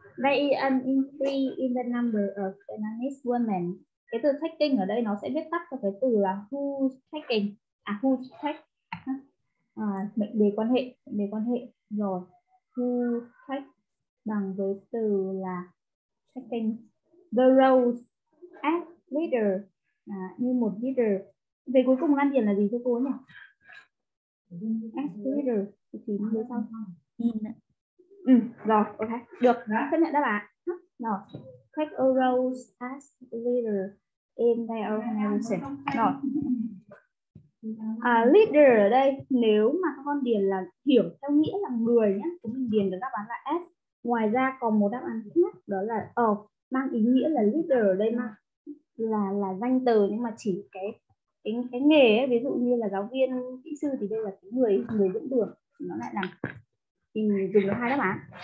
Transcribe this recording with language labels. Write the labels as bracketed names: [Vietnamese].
[English] Vậy increase in the number of Vietnamese women. [Vietnamese] Cái từ taking ở đây nó sẽ viết tắt cho cái từ là [English] who's taking. [Vietnamese] À [English] who's take. [Vietnamese] À, mệnh đề quan hệ, mệnh đề quan hệ. Rồi. [English] Who's take [Vietnamese] bằng với từ là [English] taking the roles as leader. [Vietnamese] À, như một leader. Về cuối cùng ăn điền là gì cho cô nhỉ? [English] As leader. [Vietnamese] Thì như sau. Ừ, rồi, ok. Được, chấp nhận đáp án. Rồi. [English] Take a role as leader in their organization. [Vietnamese] Rồi. À, leader ở đây, nếu mà các con điền là hiểu theo nghĩa là người nhé, chúng mình điền được đáp án là S. Ngoài ra còn một đáp án khác, đó là of, mang ý nghĩa là leader ở đây mà là danh từ, nhưng mà chỉ cái nghề ấy, ví dụ như là giáo viên, kỹ sư thì đây là cái người dẫn đường, nó lại là thì dùng được hai đáp án.